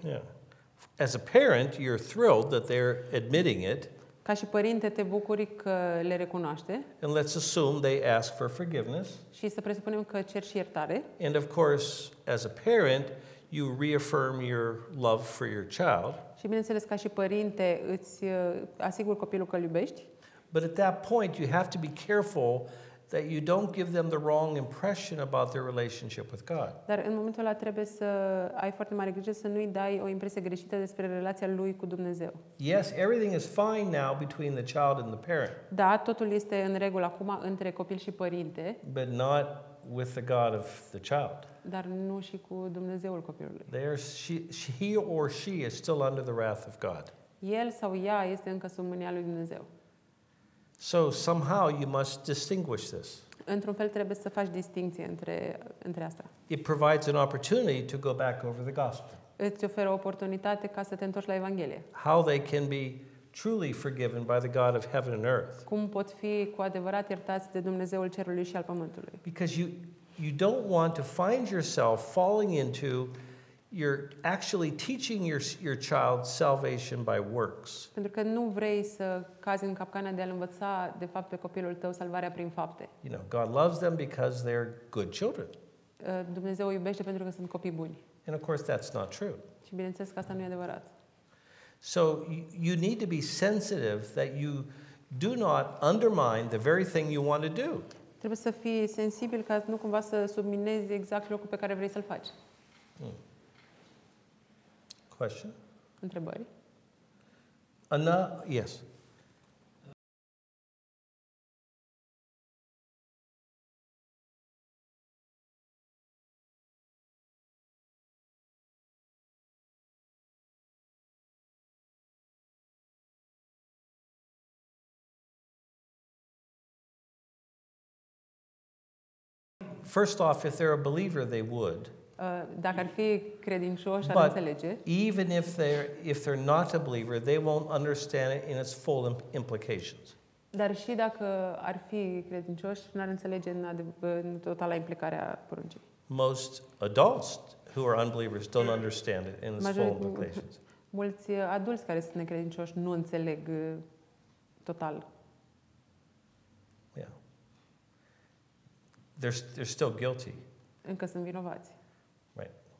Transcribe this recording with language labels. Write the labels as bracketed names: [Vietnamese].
[English] Yeah. As a parent, you're thrilled that they're admitting it. [Romanian] Ca și părinte, te bucuri că le recunoaște. [English] And let's assume they ask for forgiveness. [Romanian] Și să presupunem că cer și iertare. [English] And of course, as a parent, you reaffirm your love for your child. [Romanian] Și bineînțeles, ca și părinte, îți asiguri copilul că îl iubești. [English] But at that point, you have to be careful that you don't give them the wrong impression about their relationship with God. [Romanian] Dar în momentul ăla trebuie să ai foarte mare grijă să nu-i dai o impresie greșită despre relația lui cu Dumnezeu. [English] Yes, everything is fine now between the child and the parent. [Romanian] Da, totul este în regulă acum între copil și părinte. [English] But not with the God of the child. [Romanian] Dar nu și cu Dumnezeul copilului. [English] He or she is still under the wrath of God. [Romanian] El sau ea este încă sub mânia lui Dumnezeu. [English] So somehow you must distinguish this. [Romanian] Într-un fel trebuie să faci distinție între asta. [English] It provides an opportunity to go back over the gospel. [Romanian] Îți oferă o oportunitate ca să te întorci la Evanghelie. [English] How they can be truly forgiven by the God of heaven and earth. [Romanian] Cum pot fi cu adevărat iertați de Dumnezeul cerului și al pământului? [English] Because you don't want to find yourself falling into, you're actually teaching your child salvation by works. [Romanian] Pentru că nu vrei să cazi în capcana de a-l învăța de fapt pe copilul tău salvarea prin fapte. [English] You know, God loves them because they're good children. [Romanian] Dumnezeu îi iubește pentru că sunt copii buni. [English] And of course that's not true. [Romanian] Și bineînțeles că asta nu e adevărat. [English] So you need to be sensitive that you do not undermine the very thing you want to do. [Romanian] Trebuie să fii sensibil ca nu cumva să subminezi exact locul pe care vrei să-l faci. [English] Question? [Romanian] Întrebări? [English] Anna, yes. First off, if they're a believer, they would. [Romanian] Dacă ar fi credincioși, ar înțelege. [English] But even if they're not a believer, they won't understand it in its full implications. [Romanian] Dar și dacă ar fi credincioși, n-ar înțelege în totala implicarea poruncii. [English] Most adults who are unbelievers don't understand it in its full implications. [Romanian] Mulți adulți care sunt necredincioși nu înțeleg total. [English] They're still guilty. [Romanian] Încă sunt vinovați. [English] Right.